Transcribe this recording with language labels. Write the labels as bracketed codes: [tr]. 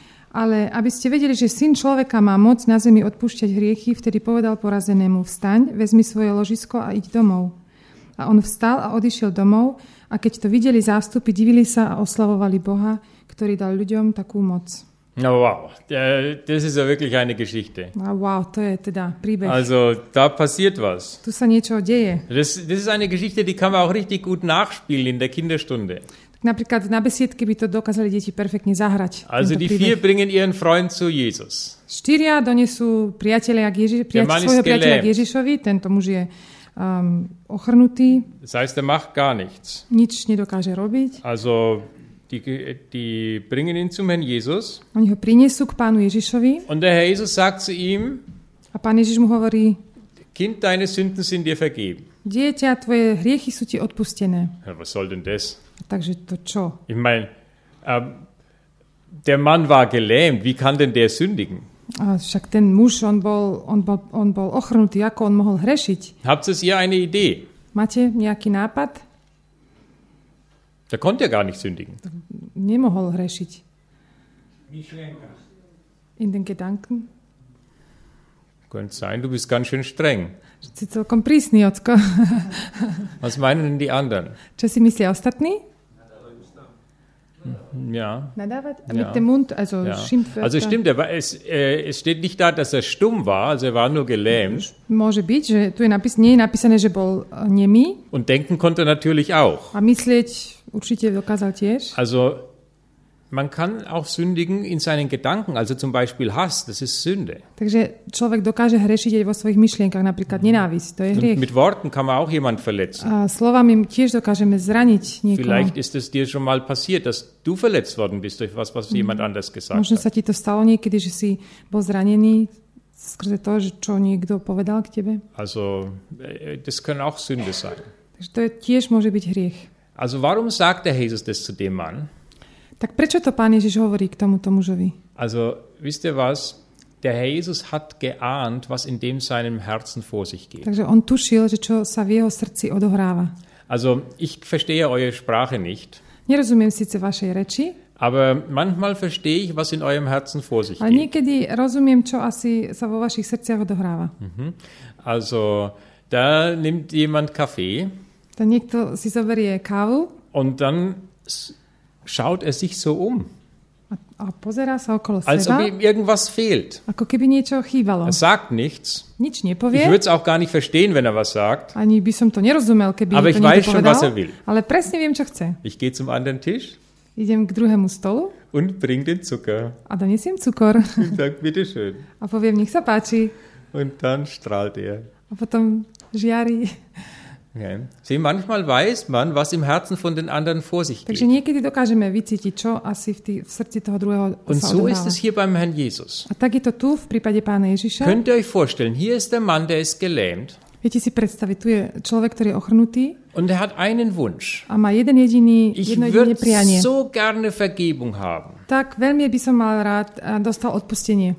[sk] Ale aby ste vedeli, že syn človeka má moc na zemi odpúšťať hriechy, vtedy povedal porazenému, vstaň, vezmi svoje ložisko a iď domov. A on vstal a odišiel domov, a keď to videli zástupy, divili sa a oslavovali Boha, ktorý dal ľuďom takú moc. [de] No wow, das ist ja wirklich eine Geschichte. [sk] No wow, to je teda príbeh. [de] Also, da passiert was. [sk] Tu sa niečo deje. [de] Das ist eine Geschichte, die kann man auch richtig gut nachspielen in der Kinderstunde. [sk] Napríklad na besiedke by to dokázali deti perfektne zahrať. [de] Also die vier bringen ihren Freund zu Jesus. [sk] Štyria donesú priateľa k Ježišovi, tento muž je ochrnutý. [de] Das heißt, er macht gar nichts. [sk] Nič nedokáže robiť. [de] Also die bringen ihn zum Herrn Jesus. [sk] Oni ho prinesú k pánu Ježišovi. [de] Und der Herr Jesus sagt zu ihm. [sk] A pán Ježiš mu hovorí: [de] Kind, deine Sünden sind dir vergeben. [sk] Dieťa, tvoje hriechy sú ti odpustené. [de] Ja, was soll denn das? [sk] Takže to čo? [de] Ich meine, der Mann war gelähmt, wie kann denn der sündigen? [sk] A však ten muž, on bol ochrnutý, ako on mohol hrešiť? [de] Habt ihr eine Idee? [sk] Máte nejaký nápad? [de] Der konnte ja gar nicht sündigen. [sk] Nemohol hrešiť. Myšlienka. [de] In den Gedanken? Könnte sein, du bist ganz schön streng. [sk] Si celkom prísny, ocko. [de] Was meinen denn die anderen? [sk] Čo si myslia ostatní? [de] Ja. [sk] Nadávať? [de] Ja. Mit dem Mund, also ja. Schimpfwörter. Also stimmt, es steht nicht da, dass er stumm war, also er war nur gelähmt. [sk] Môže byť, že tu je nie je napísané, že bol nemý. [de] Und denken konnte natürlich auch. [sk] A myslieť určite dokázal tiež. [de] Also man kann auch sündigen in seinen Gedanken, also zum Beispiel Hass, das ist Sünde. [sk] Takže človek dokáže hrešiť aj vo svojich myšlienkach, napríklad nenávisť, to je hriech. [de] Mit Worten kann man auch jemand verletzen. [sk] A slovami tiež dokážeme zraniť niekoho. [de] Vielleicht ist es dir schon mal passiert, dass du verletzt worden bist durch was jemand anders gesagt hat. [sk] Možno sa ti to stalo niekedy, že si bol zranený skrze to, čo niekto povedal k tebe. [de] Also das können auch Sünde sein. [sk] Takže to tiež môže byť hriech. [de] Also warum sagt der Jesus das zu dem Mann? [sk] Tak prečo to pán Ježiš hovorí k tomuto mužovi? [de] Also, wisst ihr was? Der Herr Jesus hat geahnt, was in dem seinem Herzen vor sich geht. [sk] Takže on tušil, že čo sa v jeho srdci odohráva. [de] Also, ich verstehe eure Sprache nicht. [sk] Nerozumiem síce vašej reči. [de] Aber manchmal verstehe ich, was in eurem Herzen vor sich geht. [sk] Ale niekedy rozumiem, čo asi sa vo vašich srdciach odohráva. [de] Also, da nimmt jemand Kaffee. Dann [sk] niekto si zoberie kávu. [de] Und dann schaut er sich so um. [sk] A pozerá sa okolo seba. [de] Als ob ihm irgendwas fehlt. [sk] Ako keby niečo chýbalo. [de] Er sagt nichts. [sk] Nič nepovie. [de] Ich würde es auch gar nicht verstehen, wenn er was sagt. [sk] Ani by som to nerozumel, keby [de] aber [sk] to niekto povedal. [de] Schon, was er will. [sk] Ale presne viem, čo chce. [de] Ich gehe zum anderen Tisch. [sk] Idem k druhému stolu. [de] Und bring den Zucker. [sk] A donesiem cukor. [de] Tak, bitteschön. [sk] A poviem, nech sa páči. [de] Und dann strahlt er. [sk] A potom žiari. Okay. [de] Sie, manchmal weiß man, was im Herzen von den anderen vor sich geht. [sk] Takže niekedy dokážeme vycítiť, čo asi v srdci toho druhého sa odohráva. [de] Und so ist es hier beim Herrn Jesus. [sk] A tak je to tu v prípade pána Ježiša. [de] Könnt ihr euch vorstellen, hier ist der Mann, der ist gelähmt. [sk] Viete si predstaviť, tu je človek, ktorý je ochrnutý. [de] Und er hat einen Wunsch. [sk] A má jeden jediný, jedno jediné prianie. [de] Ich würde so gerne Vergebung haben. [sk] Tak veľmi by som mal rád dostal odpustenie.